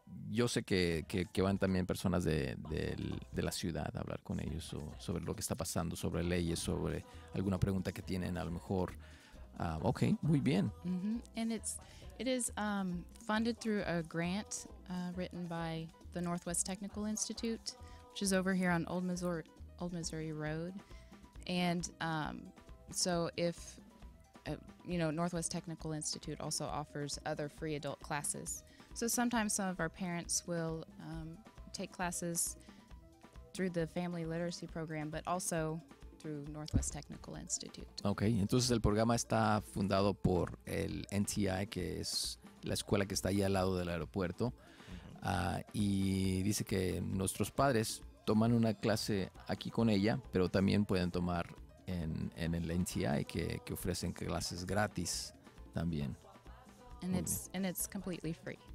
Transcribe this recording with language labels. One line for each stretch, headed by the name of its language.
Spanish: Yo sé que van también personas de la ciudad a hablar con ellos sobre lo que está pasando, sobre leyes, sobre alguna pregunta que tienen a lo mejor. Okay, muy bien.
English: Mm-hmm. And it is funded through a grant written by the Northwest Technical Institute, which is over here on Old Missouri Road. And so if, you know, Northwest Technical Institute also offers other free adult classes. So sometimes some of our parents will take classes through the Family Literacy Program, but also through Northwest Technical Institute.
Spanish: Okay, entonces el programa está fundado por el NTI, que es la escuela que está ahí al lado del aeropuerto. Y dice que nuestros padres toman una clase aquí con ella, pero también pueden tomar en el NTI, que ofrecen clases gratis también.
English: And it's completely free.